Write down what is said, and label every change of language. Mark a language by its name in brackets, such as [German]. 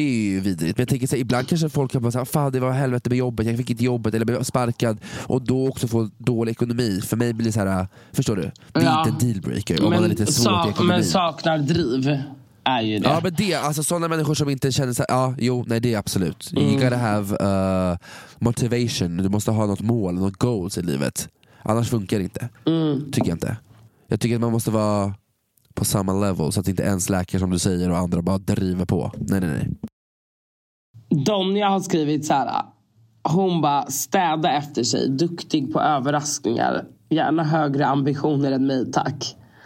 [Swedish] Det är ju vidrigt. Men jag tänker så här, ibland kanske folk kan bara säga, fan det var helvete med jobbet, jag fick inte jobbet eller blev sparkad. Och då också få dålig ekonomi. För mig blir det så här, förstår du? Det är inte en dealbreaker om man har lite svårt i ekonomi. Men saknar driv är ju det. Ja, men det, alltså sådana människor som inte känner sig, ja, jo, nej det är absolut. [English] You gotta have motivation. [Swedish] Du måste ha något mål, något goals i livet. Annars funkar det inte. Tycker jag inte. Jag tycker att man måste vara på samma level, så att inte ens läkare som du säger och andra bara driver på. Nej, nej, nej. Donja har skrivit så här. Hon bara, städa efter sig, duktig på överraskningar, gärna högre ambitioner än mig, tack.